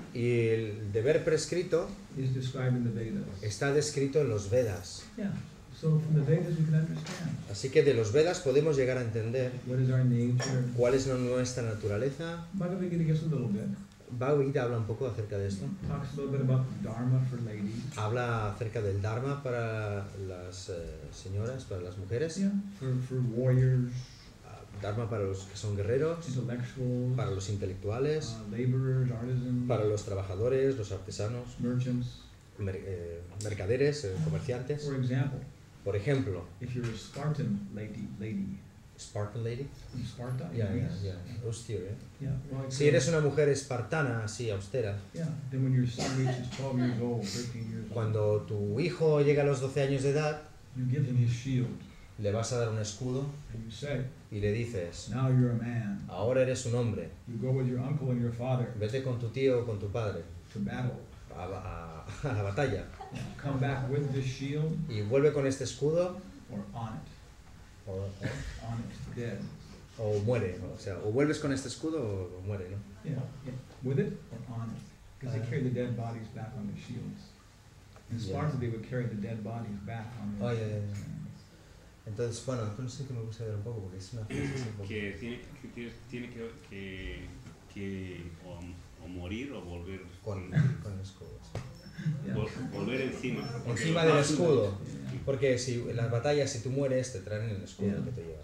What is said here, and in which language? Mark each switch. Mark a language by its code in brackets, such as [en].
[es] Y el deber prescrito [en] is described in the Vedas. [es] Está descrito en los Vedas. [en] Yeah. So from the Vedas we can understand. [es] Así que de los Vedas podemos llegar a entender [en] what is our nature. [es] Cuál es nuestra naturaleza. [en] Bhagavad Gita gives a little bit. [es] Bhagavad Gita habla un poco acerca de esto. [en] Talks a little bit about dharma for ladies. [es] Habla acerca del dharma para las señoras, para las mujeres. [en] Yeah, for warriors. [es] Dharma para los que son guerreros, para los intelectuales, [en] laborers, artisans, [es] para los trabajadores, los artesanos, [en] merchants, [es] mercaderes, comerciantes. [en] For example, [es] por ejemplo, [en] if you're a Spartan lady. Spartan lady? In Sparta, yeah. Austere, yeah. Well, [es] si eres una mujer espartana, así, austera. [en] Yeah. Then when your son reaches 12 years old, 13 years old. [es] Cuando tu hijo llega a los 12 años de edad, [en] you give him his shield. [es] Le vas a dar un escudo. [en] And you say, [es] y le dices, [en] now you're a man. [es] Ahora eres un hombre. [en] You go with your uncle and your father. [es] Vete con tu tío o con tu padre. [en] To battle. [es] A la batalla. [en] Come back with this shield. [es] Y vuelve con este escudo. [en] Or on it. Or on it, dead. [es] O muere. O sea, o vuelves con este escudo o muere, ¿no? [en] Yeah. With it or on it. Because they carry the dead bodies back on their shields. In Sparta, they would carry the dead bodies back on their shields. [es] Entonces, bueno, no sé qué me gusta ver un poco, porque es una frase que tiene que morir o volver con el escudo. Volver encima. Encima del escudo. Porque si en las batallas, si tú mueres, te traen el escudo que te lleva.